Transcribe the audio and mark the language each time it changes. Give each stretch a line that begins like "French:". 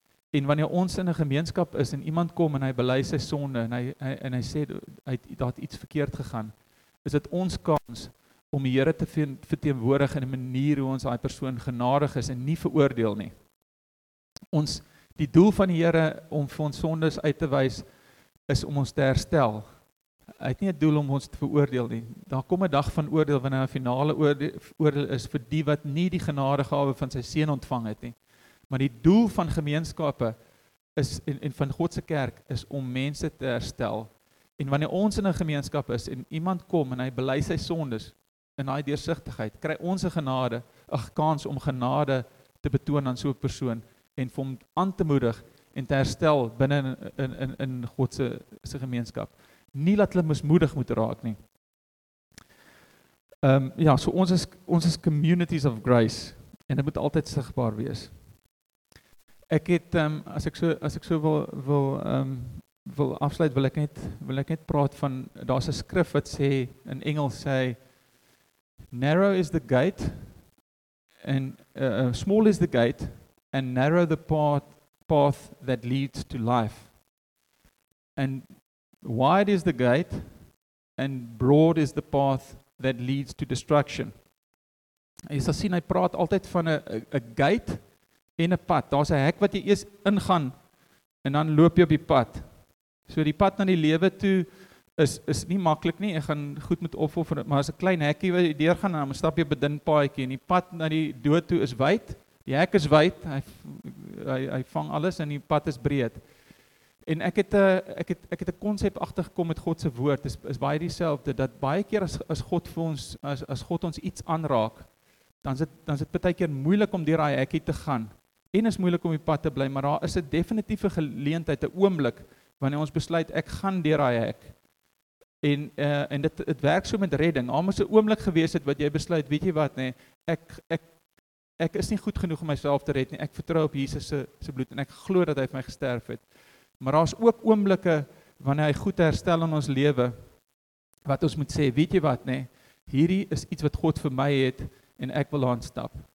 Afrikaans: En wanneer ons in 'n gemeenskap is en iemand kom en hy bely sy sonde en hy sê dat iets verkeerd gegaan, is dit ons kans om die Here te verteenwoordig in 'n manier hoe ons daai persoon genadig is en nie veroordeel nie. Die doel van die Here om vir ons sondes uit te wys is om ons te herstel. Hy het nie 'n doel om ons te veroordeel nie. Daar kom 'n dag van oordeel wanneer 'n finale oordeel is vir die wat nie die genadegawe van sy seun ontvang het nie. Maar die doel van gemeenskappe is en van God se kerk is om mense te herstel. En wanneer ons in 'n gemeenskap is en iemand kom en hy bely sy sondes in daai deursigtigheid, kry ons 'n genade, 'n kans om genade te betoon aan so 'n persoon en vir hom aan te moedig en te herstel binne in God se gemeenskap. Nie dat hulle mismoedig moet raak nie. So ons is
English: communities of grace
Afrikaans: en dit moet altyd sigbaar wees. Ek het as ek wil afsluit, wil ek net praat van daar's 'n skrif wat sê in Engels sê
English: narrow is the gate and small is the gate and narrow the path that leads to life. And wide is the gate and broad is the path that leads to destruction.
Afrikaans: Jy sal sien hy praat altyd van 'n gate en 'n pad. Daar's 'n hek wat jy eers ingaan en dan loop jy op die pad. So die pad na die lewe toe is nie maklik nie. Jy gaan goed moet opoffer, maar as 'n klein hekkie wat jy deurgaan en dan stap jy op 'n dun paadjie en die pad na die dood toe is wyd. Die hek is wyd. Hy vang alles en die pad is breed. En ek het 'n konsep agtergekom met God se woord. Is baie dieselfde dat baie keer as God ons iets aanraak, dan is dit baie keer moeilik om deur daai hekkie te gaan. En is moeilik om die pad te bly, maar daar is 'n definitiewe geleentheid, 'n oomblik wanneer ons besluit ek gaan deur daai hek. En dit werk so met redding. Al moes 'n oomblik gewees het wat jy besluit, weet jy wat nê, ek is nie goed genoeg om myself te red nie. Ek vertrou op Jesus se bloed en ek glo dat hy vir my gesterf het. Maar daar is ook oomblikke wanneer hy goed herstel in ons lewe, wat ons moet sê, weet jy wat nê, hierdie is iets wat God vir my het en ek wil daarin stap.